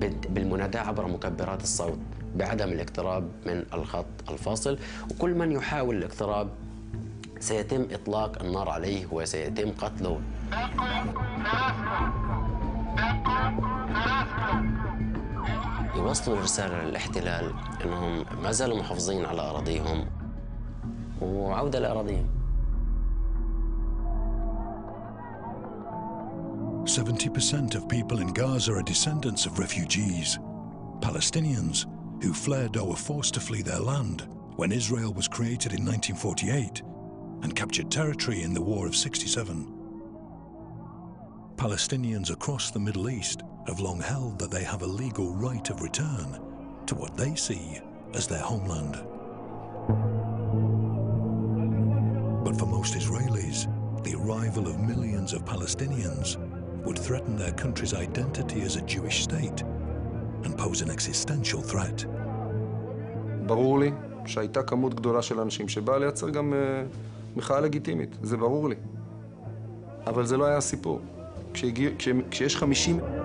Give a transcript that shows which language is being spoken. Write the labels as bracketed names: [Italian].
[Arabic] بالمنادى عبر مكبرات الصوت بعدم الاقتراب من الخط الفاصل, وكل من يحاول الاقتراب سيتم اطلاق النار عليه وسيتم قتله. يوصلوا الرسالة للاحتلال انهم ما زالوا محافظين على اراضيهم وعودة لاراضيهم. [English] 70% of people in Gaza are descendants of refugees, Palestinians who fled or were forced to flee their land when Israel was created in 1948 and captured territory in the War of 67. Palestinians across the Middle East have long held that they have a legal right of return to what they see as their homeland. But for most Israelis, the arrival of millions of Palestinians would threaten their country's identity as a Jewish state and pose an existential threat. [Hebrew] ברור לי שהייתה כמות גדולה של אנשים שבאה לייצר גם מחאה לגיטימית. זה ברור לי. אבל זה לא היה הסיפור. כשיש 50...